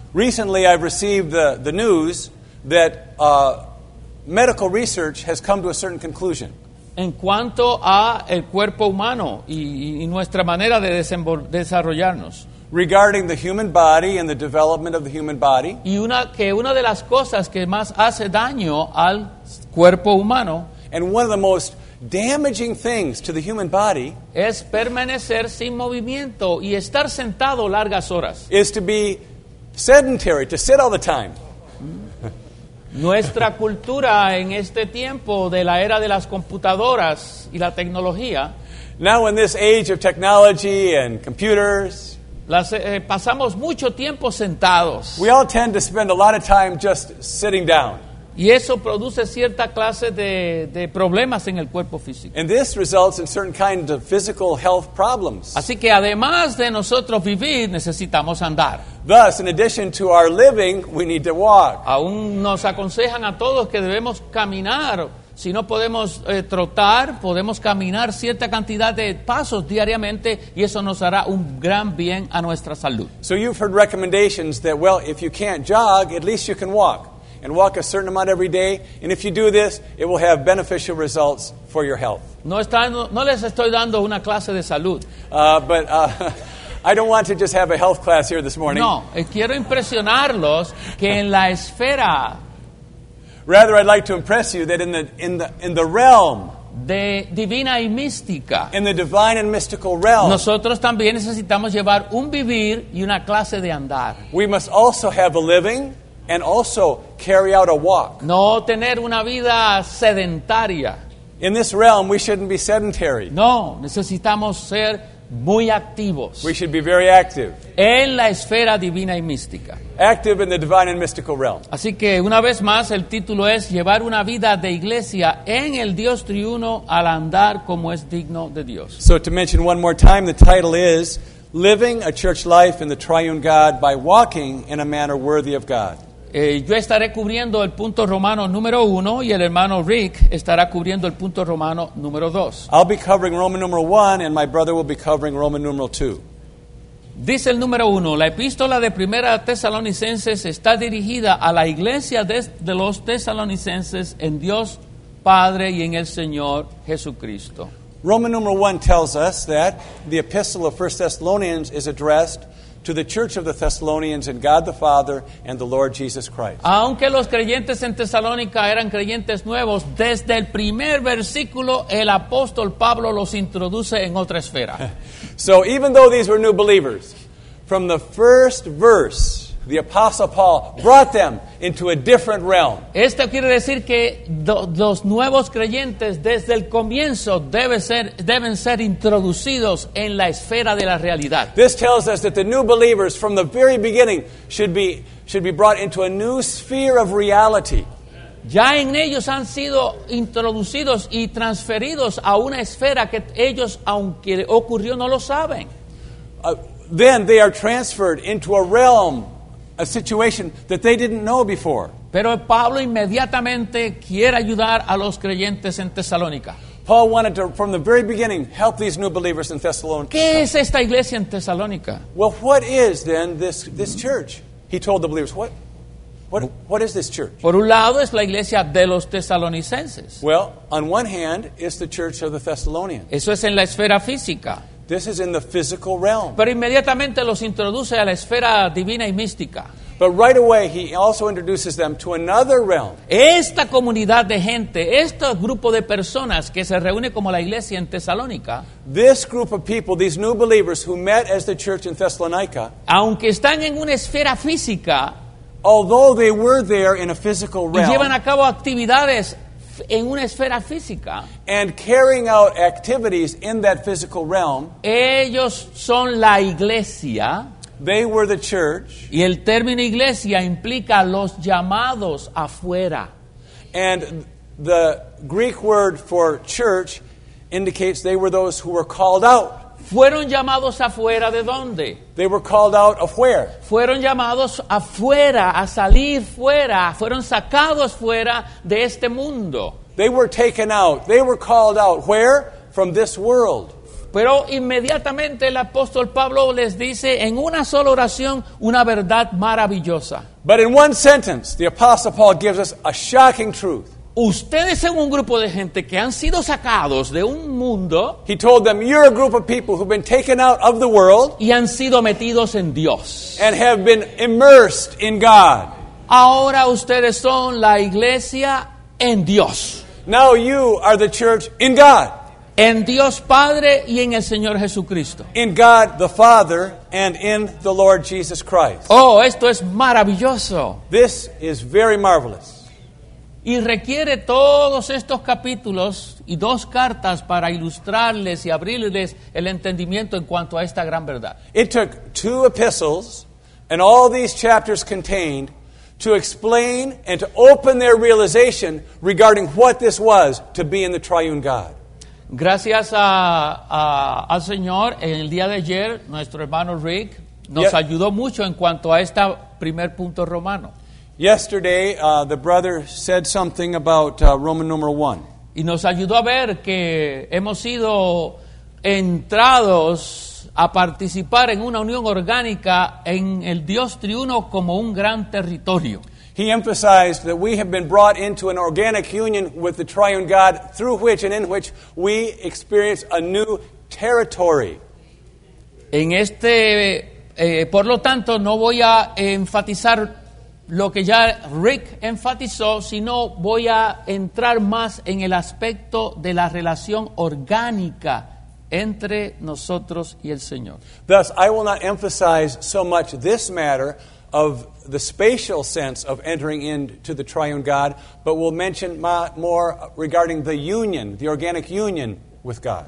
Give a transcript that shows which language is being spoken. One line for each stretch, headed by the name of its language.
English: Recently I've received the news that medical research has come to a certain conclusion.
Spanish: En cuanto a el cuerpo humano y nuestra manera de desarrollarnos.
English: Regarding the human body and the development of the human body.
Spanish: Y una de las cosas que más hace daño al cuerpo humano.
English: And one of the most damaging things to the human body.
Spanish: Es permanecer sin movimiento y estar sentado largas horas.
English: Is to be sedentary, to sit all the time.
Spanish: Nuestra cultura en este tiempo de la era de las computadoras y la tecnología.
English: Now in this age of technology and computers.
Spanish: Pasamos mucho tiempo sentados.
English: We all tend to spend a lot of time just sitting down.
Spanish: Y eso produce cierta clase de problemas en el cuerpo físico.
English: And this results in certain kinds of physical health problems.
Spanish: Así que además de nosotros vivir, necesitamos andar.
English: Thus, in addition to our living, we need to walk.
Spanish: Aún nos aconsejan a todos que debemos caminar. Si no podemos trotar, podemos caminar cierta cantidad de pasos diariamente y eso nos hará un gran bien a nuestra salud.
English: So you've heard recommendations that, well, if you can't jog, at least you can walk. And walk a certain amount every day. And if you do this, it will have beneficial results for your health.
Spanish: No les estoy dando una clase de salud.
English: I don't want to just have a health class here this morning.
Spanish: No, quiero impresionarlos que en la esfera...
English: Rather, I'd like to impress you that in the realm
Spanish: de divina y mística,
English: in the divine and mystical realm,
Spanish: nosotros también necesitamos llevar un vivir y una clase de andar.
English: We must also have a living and also carry out a walk.
Spanish: No tener una vida sedentaria.
English: In this realm, we shouldn't be sedentary.
Spanish: No, necesitamos ser muy activos.
English: We should be very active.
Spanish: En la esfera divina y mística.
English: Active in the divine and mystical realm.
Spanish: Así que una vez más el título es llevar una vida de iglesia en el Dios triuno al andar como es digno de Dios.
English: So to mention one more time, the title is Living a Church Life in the Triune God by Walking in a Manner Worthy of God.
Spanish: Yo estaré cubriendo el punto romano número 1 y el hermano Rick estará cubriendo el punto romano número 2.
English: I'll be covering Roman numeral 1 and my brother will be covering Roman numeral 2.
Spanish: Dice el número 1, la epístola de Primera Tesalonicenses está dirigida a la iglesia de los Tesalonicenses en Dios Padre y en el Señor Jesucristo.
English: Roman numeral 1 tells us that the epistle of 1 Thessalonians is addressed to the Church of the Thessalonians and God the Father and the Lord Jesus Christ.
Spanish: Aunque los creyentes en Tesalónica eran creyentes nuevos, desde el primer versículo el apóstol Pablo los introduce en otra esfera.
English: So even though these were new believers, from the first verse, the apostle Paul brought them into a different realm.
Spanish: Esto quiere decir que los nuevos creyentes desde el comienzo deben ser introducidos en la esfera de la realidad.
English: This tells us that the new believers from the very beginning should be brought into a new sphere of reality.
Spanish: Ya en ellos han sido introducidos y transferidos a una esfera que ellos, aunque ocurrió, no lo saben.
English: Then they are transferred into a realm, a situation that they didn't know before.
Spanish: Pero Pablo inmediatamente quiere ayudar a los creyentes en Tesalónica.
English: Paul wanted to, from the very beginning, help these new believers in Thessalonica.
Spanish: ¿Qué es esta iglesia en Tesalónica?
English: Well, what is then this church? He told the believers, what is this church?
Spanish: Por un lado es la iglesia de los Tesalonicenses.
English: Well, on one hand, it's the church of the Thessalonians.
Spanish: Eso es en la esfera física.
English: This is in the physical realm.
Spanish: Pero inmediatamente los introduce a la esfera divina y mística.
English: But right away he also introduces them to another realm.
Spanish: Esta comunidad de gente, este grupo de personas que se reúne como la iglesia en Tesalónica,
English: this group of people, these new believers who met as the church in Thessalonica,
Spanish: aunque están en una esfera física,
English: although they were there in a physical realm,
Spanish: y llevan a cabo actividades en una esfera física,
English: and carrying out activities in that physical realm,
Spanish: ellos son la iglesia.
English: They were the church.
Spanish: Y el término iglesia implica los llamados afuera.
English: And the Greek word for church indicates they were those who were called out.
Spanish: ¿Fueron llamados afuera de dónde?
English: They were called out of where?
Spanish: Fueron llamados afuera, a salir fuera. Fueron sacados fuera de este mundo.
English: They were taken out. They were called out. Where? From this world.
Spanish: Pero inmediatamente el apóstol Pablo les dice en una sola oración una verdad maravillosa.
English: But in one sentence, the apostle Paul gives us a shocking truth.
Spanish: Ustedes son un grupo de gente que han sido sacados de un mundo.
English: He told them, you're a group of people who've been taken out of the world.
Spanish: Y han sido metidos en Dios.
English: And have been immersed in God.
Spanish: Ahora ustedes son la iglesia en Dios.
English: Now you are the church in God.
Spanish: En Dios Padre y en el Señor Jesucristo.
English: In God the Father and in the Lord Jesus Christ.
Spanish: Oh, esto es maravilloso.
English: This is very marvelous.
Spanish: Y requiere todos estos capítulos y dos cartas para ilustrarles y abrirles el entendimiento en cuanto a esta gran verdad.
English: It took two epistles and all these chapters contained to explain and to open their realization regarding what this was to be in the triune God.
Spanish: Gracias al Señor, en el día de ayer, nuestro hermano Rick nos ayudó mucho en cuanto a este primer punto romano.
English: Yesterday, the brother said something about Roman numeral 1.
Spanish: Y nos ayudó a ver que hemos sido entrados a participar en una unión orgánica en el Dios triuno como un gran territorio.
English: He emphasized that we have been brought into an organic union with the triune God through which and in which we experience a new territory.
Spanish: En este, por lo tanto, no voy a enfatizar lo que ya Rick enfatizó, sino voy a entrar más en el aspecto de la relación orgánica entre nosotros y el Señor.
English: Thus, I will not emphasize so much this matter of the spatial sense of entering into the triune God, but will mention more regarding the union, the organic union with God.